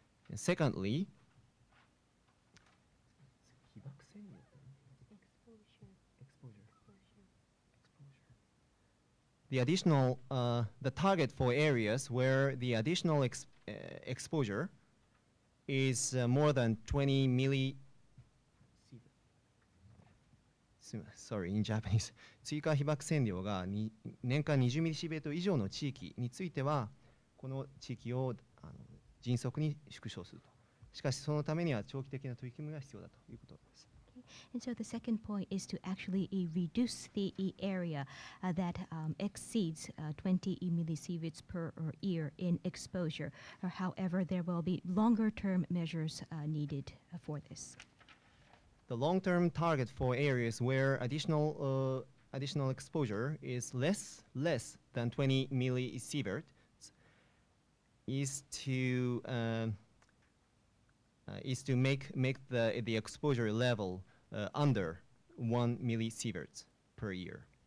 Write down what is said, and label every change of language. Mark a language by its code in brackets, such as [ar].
[en] And secondly, the additional the target for areas where the additional exposure is more than 20 milli. Sorry, in Japanese. [ja] 追加被曝線量が年間20ミリシベート以上の地域については、この地域を迅速に縮小すると。しかし、そのためには長期的な取り組みが必要だということです。 [en] And so the second point is to actually reduce the area that exceeds 20 millisieverts per year in exposure. However, there will be longer-term measures needed for this. The long-term target for areas where additional exposure is less than 20 millisieverts is to make the exposure level under 1 millisievert per year.